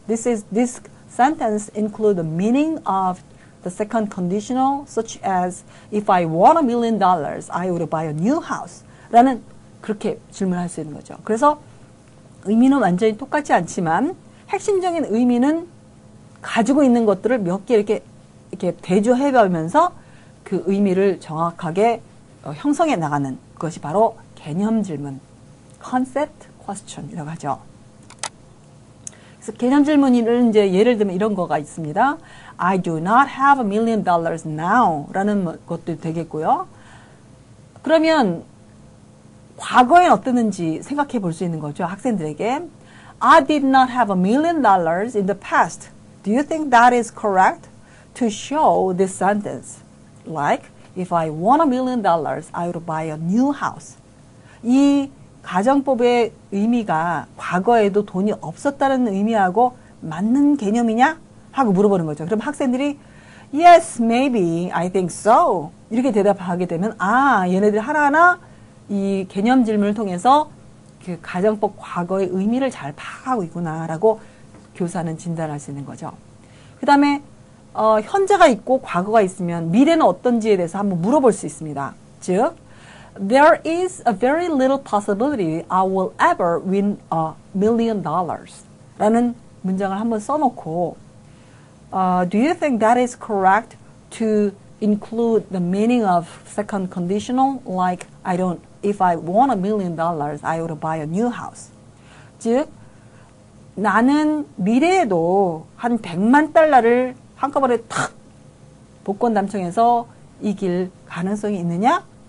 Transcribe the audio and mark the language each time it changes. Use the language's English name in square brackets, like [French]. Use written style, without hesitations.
[English] This sentence include the meaning of the second conditional such as if I won a million dollars I would buy a new house [Korean] 라는 그렇게 질문할 수 있는 거죠. 그래서 의미는 완전히 똑같지 않지만 핵심적인 의미는 가지고 있는 것들을 몇개 이렇게 대조해 가면서 그 의미를 정확하게 형성해 나가는 그것이 바로 개념 질문, concept question이라고 하죠. 그래서 개념 질문을 이제 예를 들면 이런 거가 있습니다. [English] I do not have a million dollars now [Korean] 라는 것도 되겠고요. 그러면 과거엔 어땠는지 생각해 볼수 있는 거죠. 학생들에게 [English] I did not have a million dollars in the past. Do you think that is correct to show this sentence? Like If I won a million dollars, I would buy a new house. [Korean] 이 가정법의 의미가 과거에도 돈이 없었다는 의미하고 맞는 개념이냐? 하고 물어보는 거죠. 그럼 학생들이 [English] Yes, maybe, I think so. [Korean] 이렇게 대답하게 되면 아, 얘네들 하나하나 이 개념 질문을 통해서 그 가정법 과거의 의미를 잘 파악하고 있구나라고 교사는 진단할 수 있는 거죠. 그 다음에 현재가 있고 과거가 있으면 미래는 어떤지에 대해서 한번 물어볼 수 있습니다. [English] 즉, There is a very little possibility I will ever win a million dollars. [Korean] 라는 문장을 한번 써놓고, [English] Do you think that is correct to include the meaning of second conditional? Like, I don't, if I won a million dollars, I would buy a new house. [Korean] 즉, 나는 미래에도 한 100만 달러를 한꺼번에 탁! 복권당첨해서 이길 가능성이 있느냐?